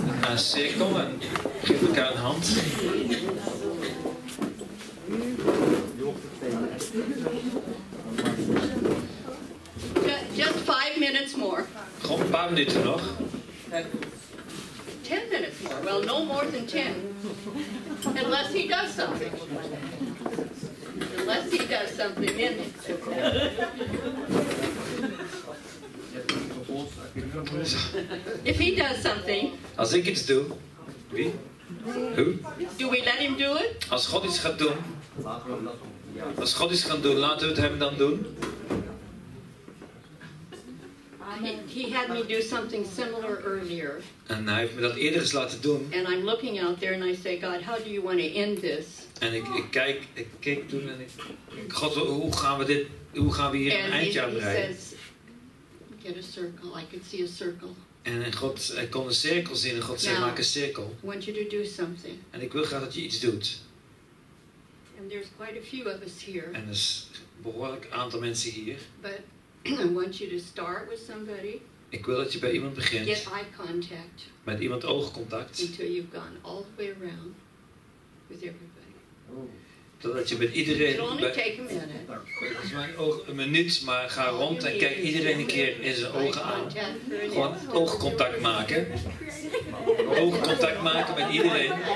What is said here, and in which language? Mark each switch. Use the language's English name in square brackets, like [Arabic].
[Dutch] Een cirkel en geef elkaar een hand. [English] Just 5 minutes more. [Dutch] Gewoon een paar minuten nog. [English] 10 minutes more. Well, no more than 10. Unless he does something. Unless he does something in it. If he does something, [Dutch] als ik iets doe, wie? Who? [English] Do we let him do it? [Dutch] Als God iets gaat doen, als God iets gaat doen, laten we het hem dan doen. [English] He had me do something similar earlier. [Dutch] En hij heeft me dat eerder eens laten doen. [English] And I'm looking out there and I say, God, how do you want to end this? [Dutch] En ik kijk toen en ik, God, hoe gaan we hier een eindje aan breien? [English] Get a circle. I could see a circle. [Dutch] En God, ik kon een cirkel zien. En God zei, maak een cirkel. [English] I want you to do something. [Dutch] En ik wil graag dat je iets doet. [English] And there's quite a few of us here. [Dutch] En er is een behoorlijk aantal mensen hier. [English] But I want you to start with somebody. [Dutch] Ik wil dat je bij iemand begint. [English] Get eye contact. [Dutch] Met iemand oogcontact. [English] Until you've gone all the way around with everybody. [Dutch] Totdat je met iedereen. Het is maar een minuut, maar ga rond en kijk iedereen een keer in zijn ogen aan. Gewoon oogcontact maken. Oogcontact maken met iedereen.